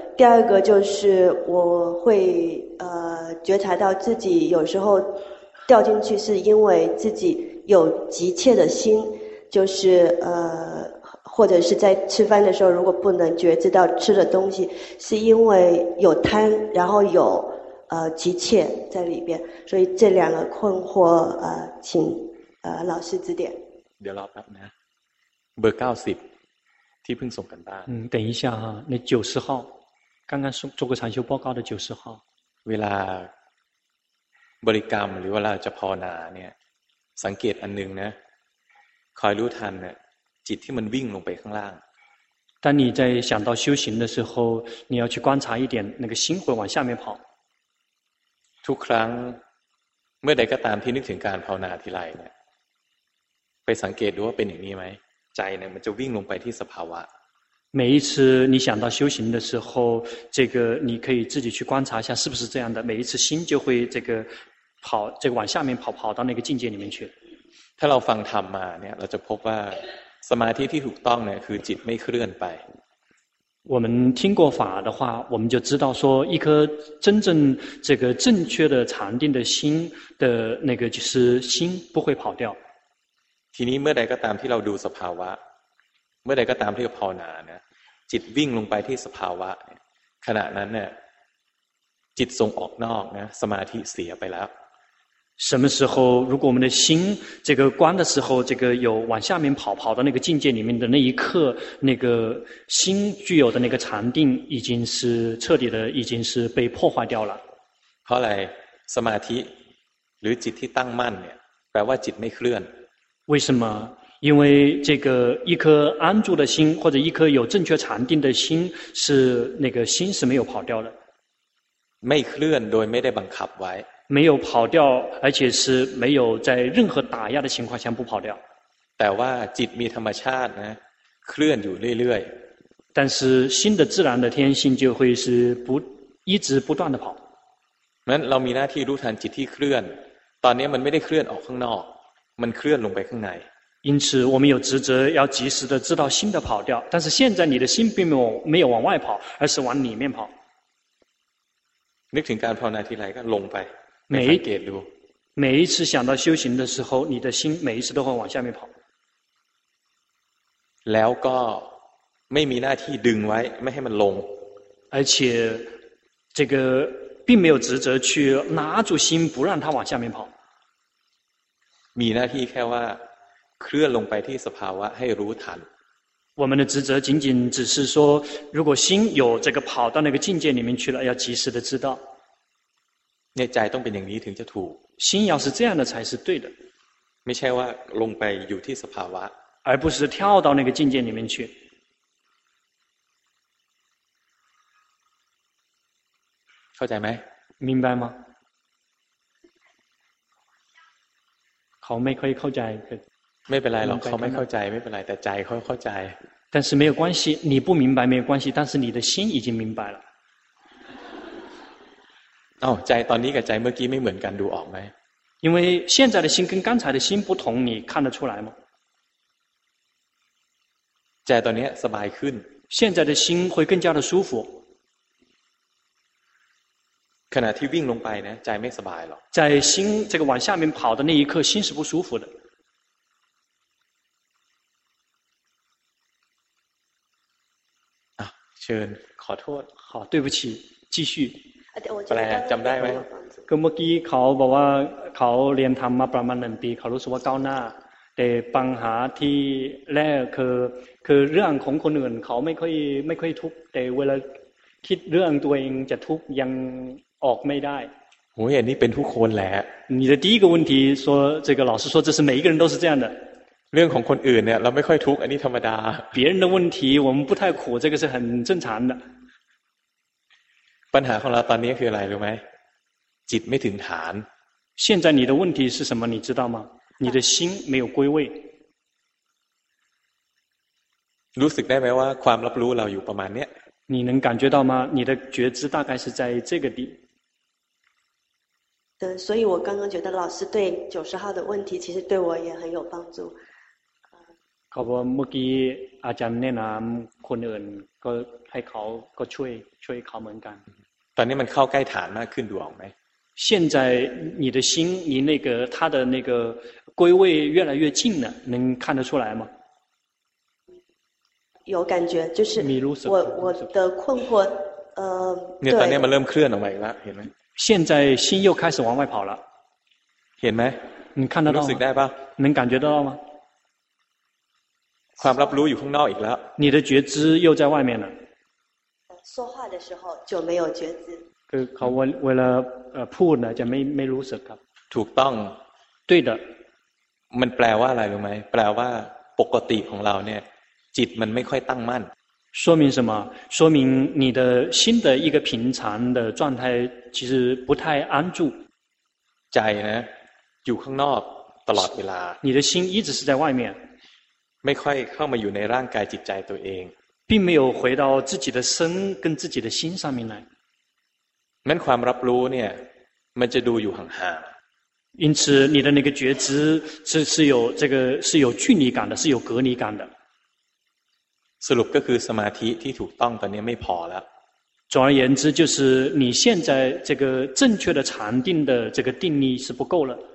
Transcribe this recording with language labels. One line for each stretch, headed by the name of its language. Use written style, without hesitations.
Chinese: 第二个就是我会觉察到自己有时候掉进去是因为自己有急切的心，就是或者是在吃饭的时候，如果不能觉知到吃的东西是因为有贪，然后有急切在里边，所以这两个困惑请老师指点。
Thai: เดี๋ยวรอแป๊บนะเบอร์เก้าสิบที่เพิ่งส่งกันบ้าน
Chinese: 等一下哈，那九十号，刚刚做过禅修报告的九十号。
Thai: เวลาบริกรรมหรือเวลาจะภาวนาเนี่ยสังเกตอันนึงนะคอยรู้ทันเนี่ยจิตที่มันวิ่งลงไปข้างล่าง
Chinese: 当你在想到修行的时候，你要去观察一点，那个心会往下面跑。
Thai: ทุกครั้งเมื่อใดก็ตามที่นึกถึงการภาวนาทีไรเนี่ยไปสังเกตดูว่าเป็นอย่างนี้ไหมใจเนี่ยมันจะวิ่งลงไปที่สภาวะ
Chinese: 每一次你想到修行的时候，这个你可以自己去观察一下是不是这样的。每一次心就会这个跑，这个往下面跑，跑到那个境界里面去。
Thai: ถ้าเราฟังธรรมมาเนี่ยเราจะพบว่าสมาธิที่ถูกต้องเนี่ยคือจิตไม่เคลื่อนไป
Chinese: 我们听过法的话，我们就知道说，一颗真正这个正确的禅定的心的那个就是心不会跑掉。
Thai: ทีนี้เมื่อใดก็ตามที่เราดูสภาวะเมื่อใดก็ตามที่เราภาวนาเนี่ยจิตวิ่งลงไปที่สภาวะขณะนั้นเนี่ยจิตส่งออกนอกนะสมาธิเสียไปแล้ว
Chinese: 什么时候如果我们的心这个观的时候这个有往下面跑跑到那个境界里面的那一刻那个心具有的那个禅定已经是彻底的已经是被破坏掉了
Thai: เพราะอะไรสมาธิหรือจิตที่ตั้งมั่นเนี่ยแปลว่าจิตไม่เคลื่อน
Chinese: 为什么因为这个一颗安住的心或者一颗有正确禅定的心是那个心是没有跑掉的
Thai: ไม่เคลื่อนโดยไม่ได้บังคับไว้
Chinese: 没有跑掉而且是没有在任何打压的情况下不跑掉
Thai: แต่ว่าจิตมีธรรมชาตินะเคลื่อนอยู่เรื่อย
Chinese: 但是心的自然的天性就会是不一直不断的跑
Thai: นั้นเรามีหน้าที่รู้ทันจิตที่เคลื่อนตอนนี้มันไม่ได้เคลื่อนออกข้างนอกมันเคลื่อนลงไปข้างใน
Chinese: 因此我们有职责要及时的知道心的跑掉但是现在你的心并没有往外跑而是往里面跑
Thai: นึกถึงการภาวนาทีไรก็ลงไป ไ ม่สังเกตดู
Chinese: 每一次想到修行的时候你的心每一次都会往下面跑
Thai: แล้วก็ไม่มีหน้าที่ดึงไว้ไม่ให้มันลง
Chinese: 而且这个并没有职责去拉住心不让它往下面跑
Thai: มีหน้าที่แค่ว่าเคลื่อนลงไปที่สภาวะให้รู้ทัน
Chinese: 我们的职责仅仅只是说如果心有这个跑到那个境界里面去了要及时的知道
Thai: ในใจต้องเป็นอย่างนี้ถึงจะถูก
Chinese: 心要是这样的才是对的
Thai: ไม่ใช่ว่าลงไปอยู่ที่สภาวะ
Chinese: 而不是跳到那个境界里面去
Thai: เข้าใจไหม 明白吗 เขาไม่ค่อยเข้าใจ ไม่เป็นไรหรอกเขาไม่เข้าใจไม่เป็นไรแต่ใจเขาเข้าใจ
Chinese: 但是没有关系你不明白没有关系但是你的心已经明白了
Thai: 哦ใจตอนนี้กับใจเมื่อกี้ไม่เหมือนกันดูออกไหม
Chinese: 因为现在的心跟刚才的心不同你看得出来吗
Thai: ใจตอนนี้สบายขึ้น
Chinese: 现在的心会更加的舒服
Thai: ขณะที่วิ่งลงไปนะใจไม่สบายหรอก
Chinese: 在心这个往下面跑的那一刻心是不舒服的
Thai: เชิญขอโทษ
Chinese: ขอ 对不起继续
Thai: แปลจำได้ไหม ก็เมื่อกี้เขาบอกว่าเขาเรียนทำมาประมาณหนึ่งปีเขารู้สึกว่าก้าวหน้าแต่ปัญหาที่แรกคือเรื่องของคนอื่นเขาไม่ค่อยทุกข์แต่เวลาคิดเรื่องตัวเองจะทุกข์ยังออกไม่ได้โหอันนี้เป็นทุกคนแหละ
Chinese: 你的第一个问题说这个老师说这是每一个人都是这样的
Thai: เรื่องของคนอื่นเนี่ยเราไม่ค่อยทุกข์อันนี้ธรรมดา
Chinese: 别人的问题我们不太苦这个是很正常的
Thai: ปัญหาของเราตอนนี้คืออะไรรู้ไหมจิตไม่ถึงฐาน
Chinese: 现在你的问题是什么你知道吗你的心没有归位
Thai: รู้สึกได้ไหมว่าความรับรู้เราอยู่ประมาณเนี้ย
Chinese: 你能感觉到吗你的觉知大概是在这个地对所以我刚刚觉得老师对90号的问题其实对我也很有帮助
Thai: ขาบอกเมื่อกี้อาจารย์แนะนำคนอื่นก็ให้เขาก็ช่วยเขาเหมือนกัน ตอนนี้มันเข้าใกล้ฐานมากขึ้นดูออกไหม
Chinese: 现在你的心离那个他的那个归位越来越近了能看得出来吗有感觉就是我的困惑
Thai: เนี่ยตอนนี้มันเริ่มเคลื่อนออกมาอีกแล้วเห็นไหม
Chinese: 现在心又开始往外跑了
Thai: เห็นไหม
Chinese: 你看得到
Thai: รู้สึกได้ป่ะ
Chinese: 能感觉到吗
Thai: ความรับรู้อยู่ข้างนอกอีกแล้ว
Chinese: 你的觉知又在外面了说话的时候就没有觉知
Thai: คือเขาเวลาพูดนะจะไม่รู้สึกครับ ถูกต้อง ด้วยเด้อมันแปลว่าอะไรรู้ไหมแปลว่าปกติของเราเนี่ยจิตมันไม่ค่อยตั้งมั่น
Chinese: 说明什么说明你的心的一个平常的状态其实不太安住
Thai: ใจนะอยู่ข้างนอกตลอดเวลา
Chinese: 你的心一直是在外面
Thai: ไม่ค่อยเข้ามาอยู่ในร่างกายจิตใจตัวเอง
Chinese: 并没有回到自己的身跟自己的心上面来
Thai: นั่นความรับรู้เนี่ยมันจะดูอยู่ห่างๆ
Chinese: 因此你的那个觉知是有这个是有距离感的是有隔离感的
Thai: สรุปก็คือสมาธิที่ถูกต้องตอนนี้ไม่พอแล้ว
Chinese: 总而言之就是你现在这个正确的禅定的这个定力是不够了